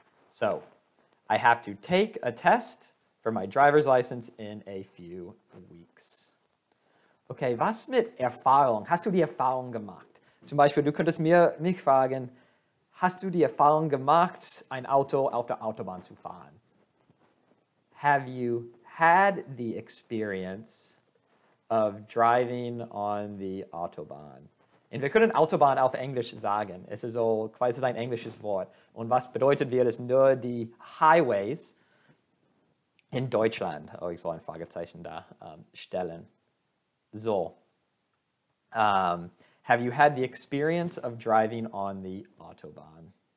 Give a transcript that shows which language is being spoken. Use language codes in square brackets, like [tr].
[en] So, I have to take a test for my driver's license in a few weeks. [de] Okay, was mit Erfahrung? Hast du die Erfahrung gemacht? Zum Beispiel, du könntest mich fragen, hast du die Erfahrung gemacht, ein Auto auf der Autobahn zu fahren? [en] Have you had the experience of driving on the Autobahn? [de] Und wir können Autobahn auf Englisch sagen. Es ist so quasi ein englisches Wort. Und was bedeutet, wir ist nur die Highways in Deutschland. Oh, ich soll ein Fragezeichen da stellen. So. [en] Have you had the experience of driving on the Autobahn?